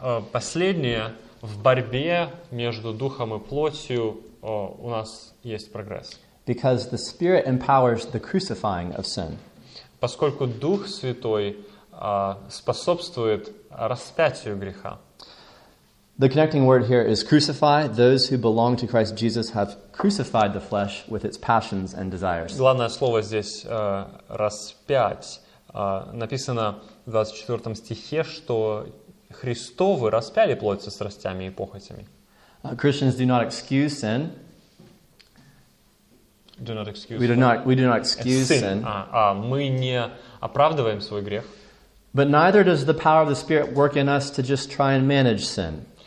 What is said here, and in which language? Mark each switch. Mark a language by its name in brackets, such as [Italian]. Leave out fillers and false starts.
[Russian] Последнее, в борьбе между духом и плотью у нас есть прогресс. [English] Because the spirit empowers the crucifying of sin. [Russian] Поскольку Дух Святой способствует распятию греха. [English] The connecting word here is crucify. Those who belong to Christ Jesus have crucified the flesh with its passions and desires. [Russian] Главное слово здесь распять. Написано в 24 стихе, что Христовы распяли плоть со страстями и похотями. [English] Christians do not excuse sin. Do not excuse. We do not excuse sin. [Russian] Мы не оправдываем свой грех. [English] But neither does the power of the Spirit work in us to just try and manage sin.